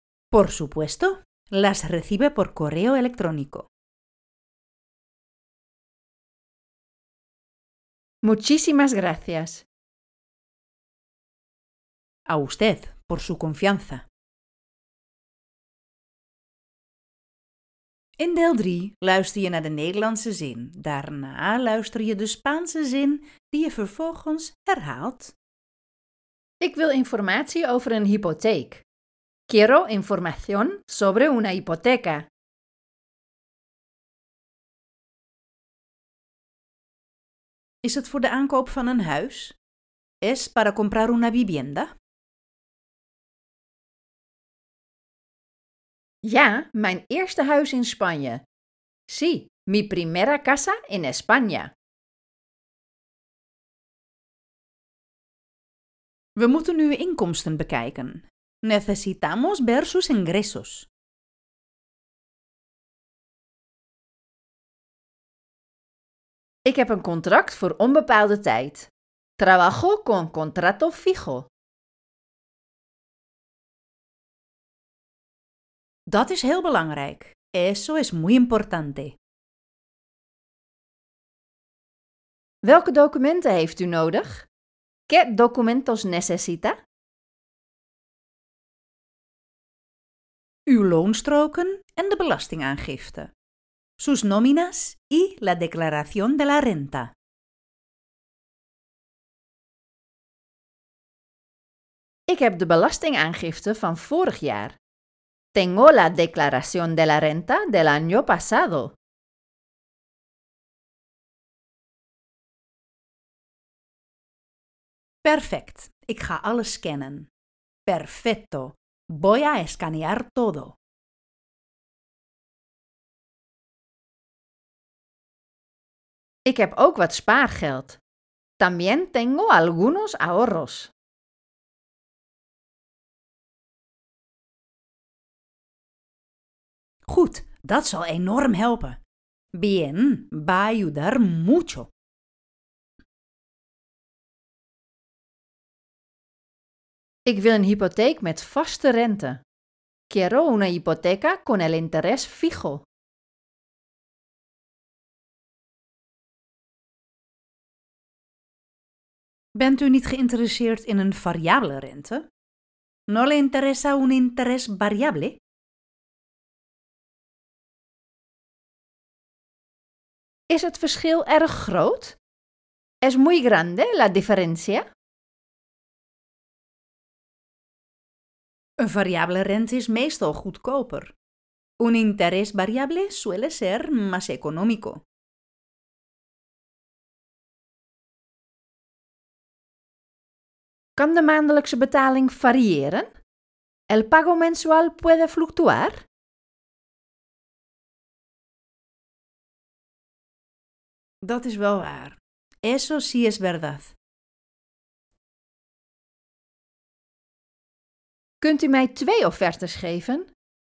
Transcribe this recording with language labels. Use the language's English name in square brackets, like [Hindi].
[Spanish] Por supuesto, las recibe por correo electrónico. Muchísimas gracias. A usted por su confianza. [Dutch] In deel 3 luister je naar de Nederlandse zin. Daarna luister je de Spaanse zin die je vervolgens herhaalt. Ik wil informatie over een hypotheek. [Spanish] Quiero información sobre una hipoteca. [Dutch] Is het voor de aankoop van een huis? [Spanish] ¿Es para comprar una vivienda? [Dutch] Ja, mijn eerste huis in Spanje. [Spanish] Sí, mi primera casa en España. [Dutch] We moeten nu inkomsten bekijken. [Spanish] Necesitamos ver sus ingresos. [Dutch] Ik heb een contract voor onbepaalde tijd. [Spanish] Trabajo con contrato fijo. [Dutch] Dat is heel belangrijk. [Spanish] Eso es muy importante. [Dutch] Welke documenten heeft u nodig? [Spanish] ¿Qué documentos necesita? [Dutch] Uw loonstroken en de belastingaangifte. [Spanish] Sus nóminas y la declaración de la renta. [Dutch] Ik heb de belastingaangifte van vorig jaar. [Spanish] Tengo la declaración de la renta del año pasado. [Dutch] Perfect. Ik ga alles scannen. [Spanish] Perfecto. Voy a escanear todo. [Dutch] Ik heb ook wat spaargeld. [Spanish] También tengo algunos ahorros. [Dutch] Goed, dat zal enorm helpen. [Spanish] Bien, va a ayudar mucho. [Dutch] Ik wil een hypotheek met vaste rente. [Spanish] Quiero una hipoteca con el interés fijo. [Dutch] Bent u niet geïnteresseerd in een variabele rente? [Spanish] ¿No le interesa un interés variable? [Dutch] Is het verschil erg groot? [Spanish] ¿Es muy grande la diferencia? [Dutch] Een variabele rente is meestal goedkoper. [Spanish] Un interés variable suele ser más económico. [Dutch] ¿Kan de maandelijkse betaling variëren? [Spanish] ¿El pago mensual puede fluctuar? [Dutch] Dat is wel waar. [Spanish] Eso sí es verdad. [Dutch] ¿Kunt u mij twee ofertes geven?